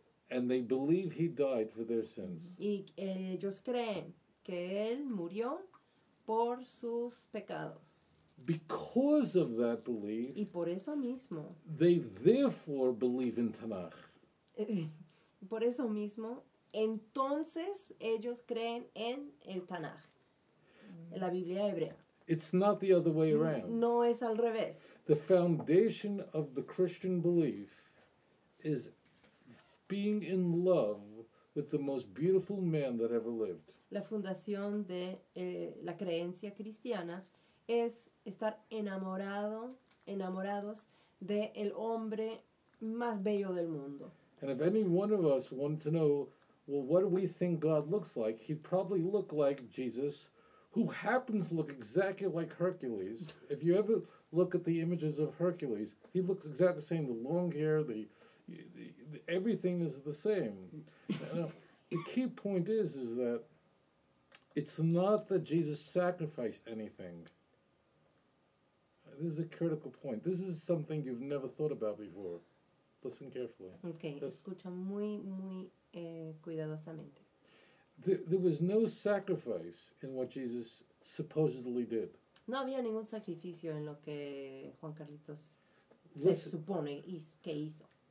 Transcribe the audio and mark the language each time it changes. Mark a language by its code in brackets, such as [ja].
[en] And they believe he died for their sins. [es] Y ellos creen que él murió por sus pecados. [en] Because of that belief. [es] Y por eso mismo. [en] They therefore believe in Tanakh. [es] Por eso mismo, entonces ellos creen en el Tanakh. La Biblia hebrea. [en] It's not the other way around. [es] No es al revés. [en] The foundation of the Christian belief is being in love with the most beautiful man that ever lived. [es] La fundación de la creencia cristiana es estar enamorados de el hombre más bello del mundo. [en] And if any one of us wanted to know, well, what do we think God looks like, he'd probably look like Jesus, who happens to look exactly like Hercules. If you ever look at the images of Hercules, he looks exactly the same. The long hair, the everything is the same. Now, the key point is that it's not that Jesus sacrificed anything. This is a critical point. This is something you've never thought about before. Listen carefully. [es] Okay, escucha muy, muy cuidadosamente. [en] There was no sacrifice in what Jesus supposedly did. [es] No había ningún sacrificio en lo que Juan Carlitos se supone que hizo.